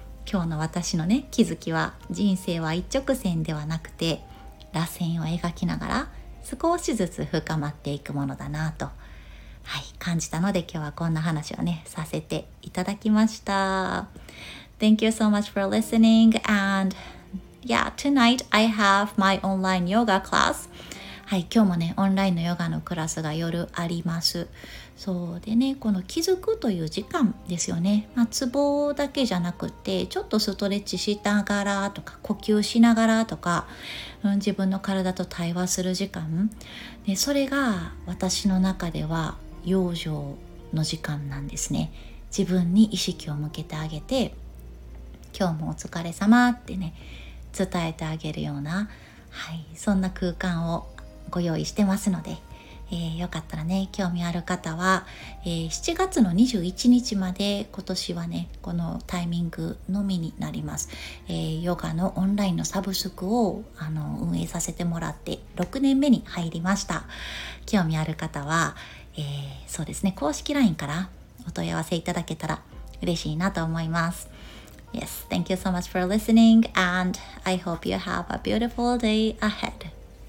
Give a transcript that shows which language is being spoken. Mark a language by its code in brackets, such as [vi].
[ja] 今日の私のね、気づきは、人生は一直線ではなくて、螺旋を描きながら少しずつ深まっていくものだなと、はい、感じたので、今日はこんな話をね、させていただきました。 [en] Thank you so much for listening. And yeah, tonight I have my online yoga class. [ja] はい、今日もね、オンラインのヨガのクラスが夜あります。そうでね、この気づくという時間ですよね。まあ、ツボだけじゃなくて、ちょっとストレッチしながらとか、呼吸しながらとか、自分の体と対話する時間。で、それが私の中では、養生の時間なんですね。自分に意識を向けてあげて、今日もお疲れ様ってね、伝えてあげるような、はい、そんな空間をご用意してますので、よかったらね、興味ある方は、7月の21日まで、今年はね、このタイミングのみになります。ヨガのオンラインのサブスクを運営させてもらって6年目に入りました。興味ある方は、そうですね、公式 LINE からお問い合わせいただけたら嬉しいなと思います。 [en] Yes, thank you so much for listening, and I hope you have a beautiful day ahead.